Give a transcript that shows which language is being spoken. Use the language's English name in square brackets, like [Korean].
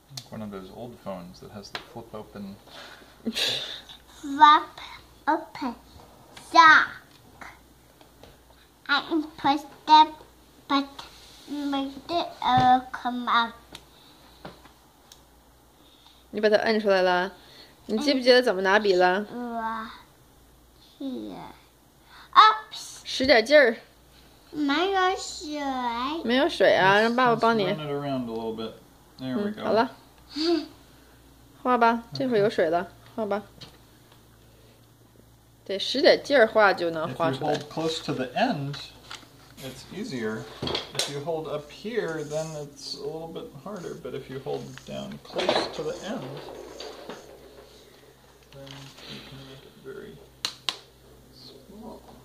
[English] One of those old phones that has the flip open. Flip open. Shock. I push that button, make it come up. [Chinese] 你把它摁出来了，你记不记得怎么拿笔了？使点劲儿。没有水。没有水啊，让爸爸帮你。 [English] Let's run it around a little bit. There we go. [Chinese] 好了，画吧，这会儿有水了，画吧。得使点劲儿画就能画出来。 [English] If you hold close to the end, it's easier. If you hold up here, then it's a little bit harder. But if you hold down close to the end, then you can make it very small.